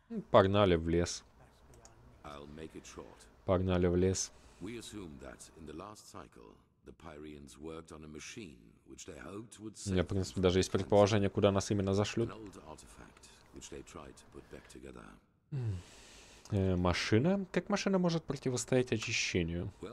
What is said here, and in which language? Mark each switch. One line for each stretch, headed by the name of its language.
Russian: Погнали в лес.
English: I'll make it short.
Russian: Погнали в лес.
English: We assume that in the last cycle the Pyreans worked on a machine which they hoped would save.
Russian: У меня, в принципе, даже есть предположение, куда нас именно зашлют.
English: An old artifact which they tried to put back together.
Russian: Машина? Как машина может противостоять очищению?